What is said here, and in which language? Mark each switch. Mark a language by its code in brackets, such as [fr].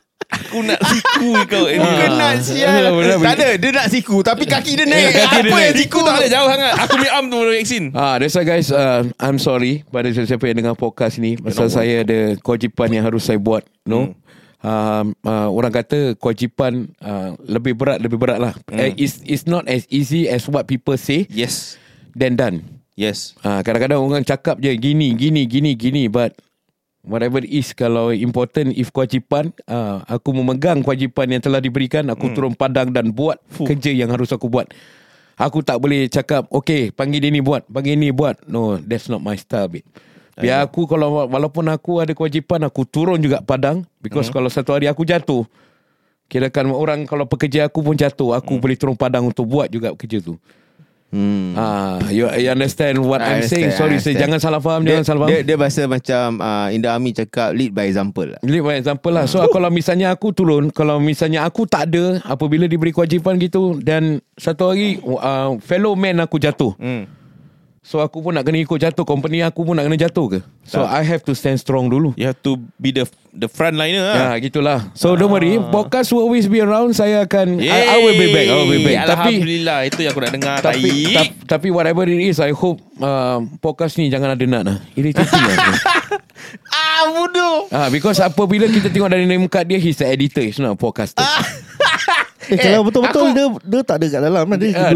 [ms] Aku nak siku kau. Aku nak siku. Tak ada, dia nak siku, tapi kaki dia naik. Kaki apa dia naik. Yang siku tak ada, jauh sangat. Aku punya arm tu belum vaksin. [en] That's why guys, I'm sorry [ms] pada siapa yang dengar podcast ni. Masa saya ada kewajipan yang harus saya buat, no? Orang kata kewajipan lebih berat lah. [en] It's not as easy as what people say. Yes. Then done. Yes. [ms] Kadang-kadang orang cakap je gini, [en] but whatever it is, [ms] kalau important, if kewajipan, aku memegang kewajipan yang telah diberikan, aku turun padang dan buat kerja yang harus aku buat. Aku tak boleh cakap, okay, panggil ini buat. [en] No, that's not my style, babe. [ms] Biar aku, kalau walaupun aku ada kewajipan, aku turun juga padang. Because kalau satu hari aku jatuh, kirakan orang, kalau pekerja aku pun jatuh, aku boleh turun padang untuk buat juga kerja tu. [en] You understand what I'm saying? Sorry, saya jangan salah faham. [ms] Dia bahasa macam [en] in the army [ms] cakap, [en] lead by example [ms] lah. [en] Lead by example lah. [ms] So kalau misalnya aku turun, kalau misalnya aku tak ada, apabila diberi kewajipan gitu, dan satu hari fellow man aku jatuh, so aku pun nak kena ikut jatuh, company aku pun nak kena jatuh ke? [en] So I have to stand strong [ms] dulu. [en] You have to be the frontliner lah. [ms] Ya, gitulah. [en] So don't worry, podcast will always be around. [ms] Saya akan [en] I will be back. [ms] Alhamdulillah, tapi, itu yang aku nak dengar. Tapi [en] whatever it is, I hope [ms] podcast ni jangan ada nak lah. Irritating lah. Ah, bodoh. [en] Ah, because [ms] apabila kita tengok dari [en] name card dia, he's the editor, he's not a podcaster. [ms] Kalau betul-betul aku, dia tak ada kat dalam, dia duduk